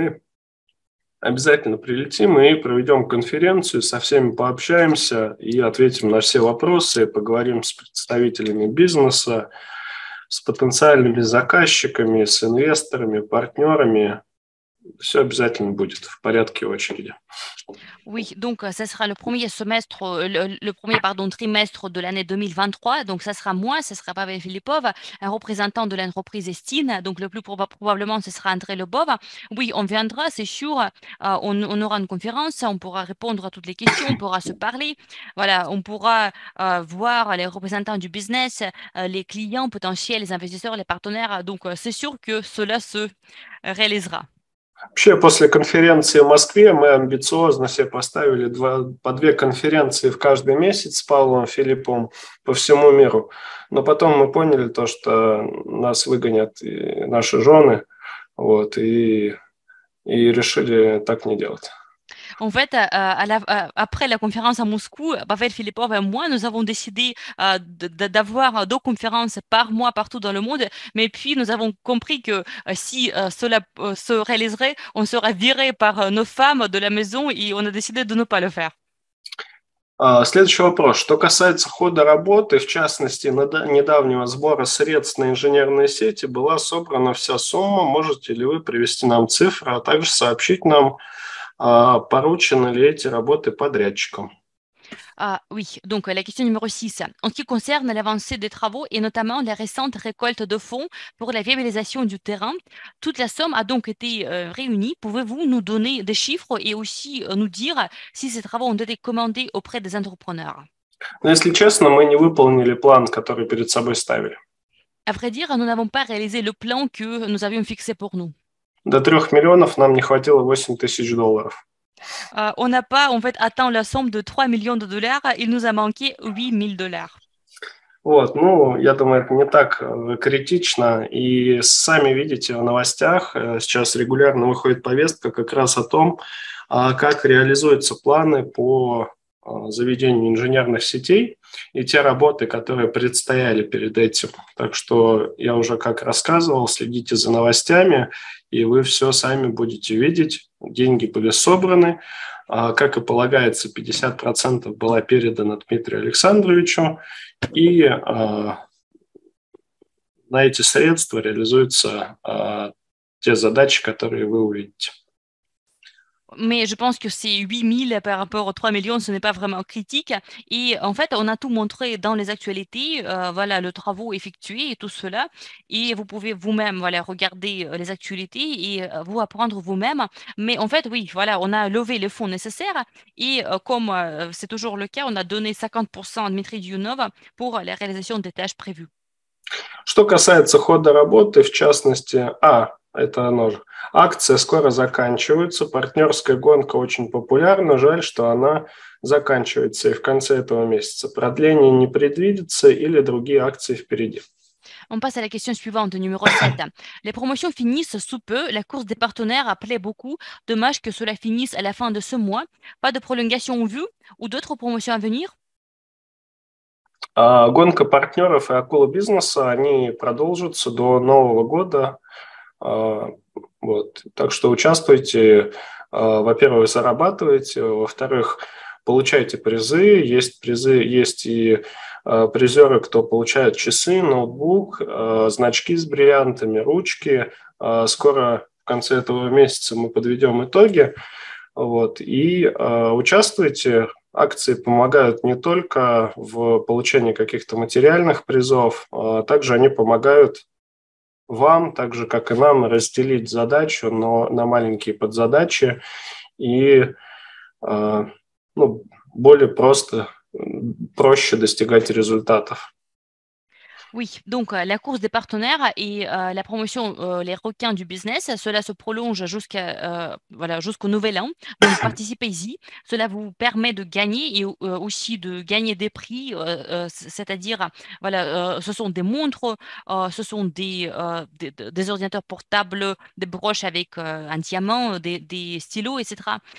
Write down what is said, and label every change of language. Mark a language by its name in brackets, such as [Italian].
[Russian] Мы обязательно прилетим и проведем конференцию, со всеми пообщаемся и ответим на все вопросы, поговорим с представителями бизнеса, с потенциальными заказчиками, с инвесторами, партнерами. Все обязательно будет в порядке очереди. [French] Oui, donc ça sera le premier semestre, le premier pardon trimestre de l'année 2023. Donc ça sera moi, ça sera Pavel Filipov, un représentant de l'entreprise Estine. Donc le plus probablement, ce sera André Lebov. Oui, on viendra, c'est sûr. On aura une conférence, on pourra répondre à toutes les questions, on pourra se parler. Voilà, on pourra voir les représentants du business, les clients potentiels, les investisseurs, les partenaires. Donc c'est sûr que cela se réalisera. [Russian] Вообще, после конференции в Москве мы амбициозно себе поставили по две конференции в каждый месяц с Павлом Филипповым по всему миру. Но потом мы поняли то, что нас выгонят и наши жены, вот, и решили так не делать. [French] En fait, après la conférence à Moscou, Pavel Filipov et moi, nous avons décidé d'avoir deux conférences par mois partout dans le monde. Mais puis, nous avons compris que si cela se réaliserait, on serait viré par nos femmes de la maison et on a décidé de ne pas le faire. [Russian] Следующий вопрос. Что касается хода работы, в частности, недавнего сбора средств на инженерные сети, была собрана вся сумма. Можете ли вы привести нам цифры, а также сообщить нам, поручены ли эти работы подрядчикам? [French] Oui, donc la question numéro 6. En ce qui concerne l'avancée des travaux et notamment la récente récolte de fonds pour la viabilisation du terrain, toute la somme a donc été réunie. Pouvez-vous nous donner des chiffres et aussi nous dire si ces travaux ont été commandés auprès des entrepreneurs? [Russian] Но, если честно, мы не выполнили план, который перед собой ставили. [French] À vrai dire, nous n'avons pas réalisé le plan que nous avions fixé pour nous. [Russian] До 3 миллионов нам не хватило 8 тысяч долларов. [French] On n'a pas, en fait, atteint la somme de 3 millions de dollars. Il nous a manqué 8 000 dollars. [Russian] Вот, ну, я думаю, это не так критично. И сами видите в новостях, сейчас регулярно выходит повестка как раз о том, а как реализуются планы по заведению инженерных сетей и те работы, которые предстояли перед этим. Так что я уже как рассказывал, следите за новостями, и вы все сами будете видеть. Деньги были собраны. Как и полагается, 50% было передано Дмитрию Александровичу, и на эти средства реализуются те задачи, которые вы увидите. [French] Mais je pense que c'est 8 000 par rapport aux 3 millions, ce n'est pas vraiment critique. Et en fait, on a tout montré dans les actualités, voilà, le travaux effectué et tout cela. Et vous pouvez vous-même voilà, regarder les actualités et vous apprendre vous-même. Mais en fait, oui, voilà, on a levé les fonds nécessaires. Et comme c'est toujours le cas, on a donné 50% à Dmitri Dionov pour la réalisation des tâches prévues. [Russian] Что касается хода работы, в частности... Это оно же. Акция скоро заканчивается. Партнерская гонка очень популярна. Жаль, что она заканчивается и в конце этого месяца. Продление не предвидится или другие акции впереди. [French] On passe à la question suivante, numéro 7. Les promotions finissent sous peu. La course des partenaires a plu beaucoup. Dommage que cela finisse à la fin de ce mois. Pas de prolongation en vue ou d'autres promotions à venir? [Russian] Гонка партнеров и акула бизнеса, они продолжатся до Нового года. Вот. Так что участвуйте, во-первых, зарабатывайте, во-вторых, получайте призы. Есть призы, есть и призеры, кто получает часы, ноутбук, значки с бриллиантами, ручки. Скоро в конце этого месяца мы подведем итоги. Вот. И участвуйте. Акции помогают не только в получении каких-то материальных призов, также они помогают вам, так же, как и нам, разделить задачу но на маленькие подзадачи и ну, более просто, проще достигать результатов. [French] Oui, donc la course des partenaires et la promotion les requins du business, cela se prolonge jusqu'à voilà, jusqu'au nouvel an. Donc participez-y, cela vous permet de gagner et aussi de gagner des prix, c'est-à-dire voilà, ce sont des montres, ce sont des ordinateurs portables, des broches avec un diamant, des stylos, etc.